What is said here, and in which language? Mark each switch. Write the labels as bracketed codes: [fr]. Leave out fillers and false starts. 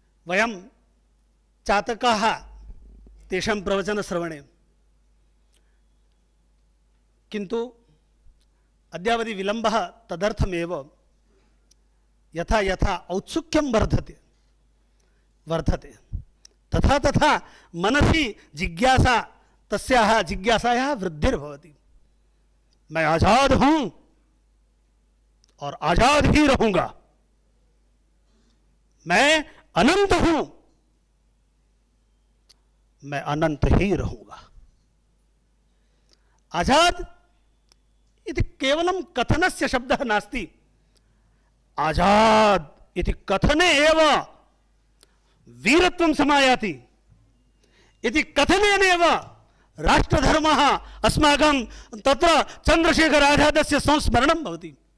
[sa] वयं चातकाः तेषां प्रवचनश्रवणे, किन्तु अद्यावधि विलम्बः तदर्थमेव यथा यथा औत्सुक्यं वर्धते तथा तथा मनसि जिज्ञासा तस्याः जिज्ञासायाः वृद्धिर्भवति। [hi] मैं आजाद हूं और आजाद ही रहूंगा, मैं अनंत हूं, मैं अनंत ही रहूंगा। [sa] आजाद इति केवलम कथनस्य शब्दः नास्ति, आजाद इति कथने एव वीरत्वं समायाति, इति कथनेनैव राष्ट्रधर्मः अस्माकं तत्र चंद्रशेखर आजादस्य संस्मरणं भवति।